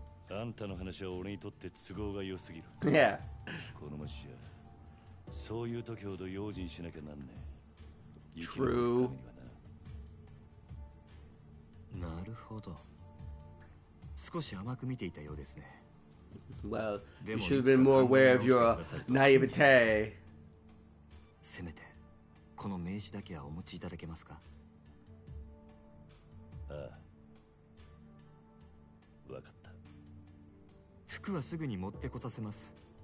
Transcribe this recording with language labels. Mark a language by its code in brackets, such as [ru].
[ja] あんたの話は俺にとって都合が良すぎる。いや。この町じゃ、そういう時ほど用心しなきゃなんねえ。行き場のためにはな。なるほど。少し甘く見ていたようですね。 [en] Well, you should have been more aware of your naivete. [ja] せめて。この名刺だけはお持ちいただけますか。ああ、わかった。服はすぐに持ってこさせます。